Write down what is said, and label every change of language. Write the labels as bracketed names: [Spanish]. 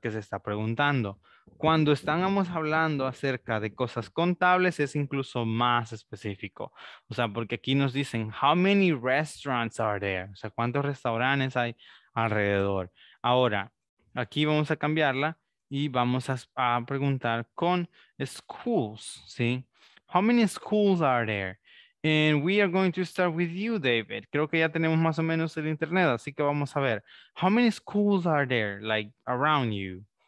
[Spanish] Que se está preguntando. Cuando estamos hablando acerca de cosas contables, es incluso más específico. O sea, porque aquí nos dicen, [English] how many restaurants are there? [Spanish] O sea, ¿cuántos restaurantes hay alrededor? Ahora, aquí vamos a cambiarla y vamos a preguntar con schools, ¿sí? [English] How many schools are there? And we are going to start with you, David. [Spanish] Creo que ya tenemos más o menos el internet, así que vamos a ver. [English] How many schools are there, like, around you?